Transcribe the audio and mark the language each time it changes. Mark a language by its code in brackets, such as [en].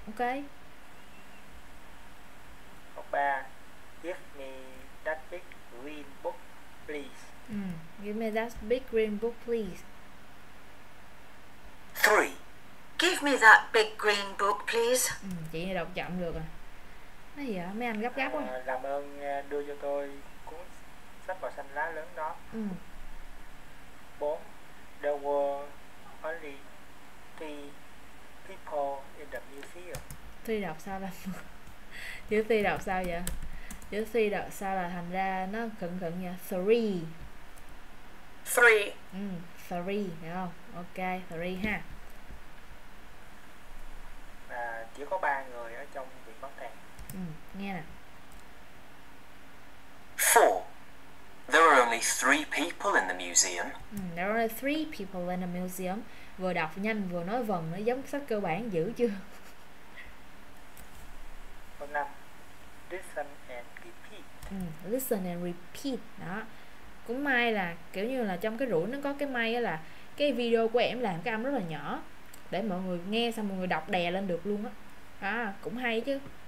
[vi] Câu 3, [en] give me that big green book, please. Give me that big green book, please. Three, give me that big green book, please. [vi] Chị này đọc chậm được rồi. Nói gì vậy? Mấy anh gấp gáp quá. Làm ơn đưa cho tôi cuốn sách màu xanh lá lớn đó. Bốn, [en] there were only three people in the museum. [vi] Tuy đọc sao là chữ tuy đọc sao vậy? Chữ tuy đọc sao là thành ra nó khựng khựng nha. [en] Three. Three. Three, [vi] hiểu không? Ok, three ha. À, chỉ có ba người ở trong viện bảo tàng. Nghe nè. [en] Four. There are only three people in the museum. There are only three people in the museum. [vi] Vừa đọc nhanh vừa nói vần, nó giống sách cơ bản dữ chưa? Câu 5. [en] Listen and repeat. Listen and repeat. [vi] Đó. Cũng may là kiểu như là trong cái rủi nó có cái may là cái video của em làm cái âm rất là nhỏ để mọi người nghe xong mọi người đọc đè lên được luôn á. À, cũng hay chứ.